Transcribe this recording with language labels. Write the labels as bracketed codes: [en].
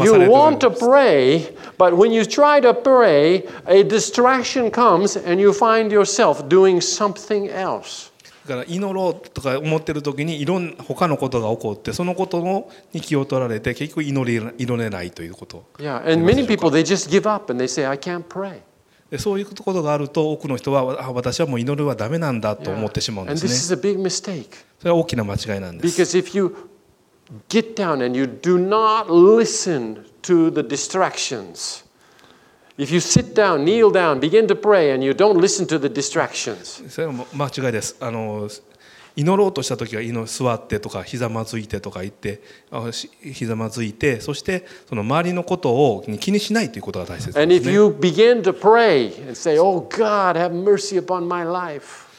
[en] want to pray, but when you try to pray, a distraction comes and you find yourself doing something else. [ja] だから祈ろうとか思ってる時にいろんな他のことが起こってそのことに気を取られて結局祈れないということ。 [en] Yeah, and many people they just give up and they say I can't pray. [ja] そういうことがあると多くの人は私はもう祈るはダメなんだと思ってしまうんですね。 [en] Yeah, and this is a big mistake. [ja] それは大きな間違いなんです。 [en] Because if you get down and you do not listen to the distractions. If you sit down, kneel down, begin to pray, and you don't listen to the distractions. [ja] それも間違いです。祈ろうとしたときは座ってとか膝まずいてとか言って、膝まずいて、そしてその周りのことを気にしないということが大切ですね。 [en] And if you begin to pray and say, Oh God, have mercy upon my life.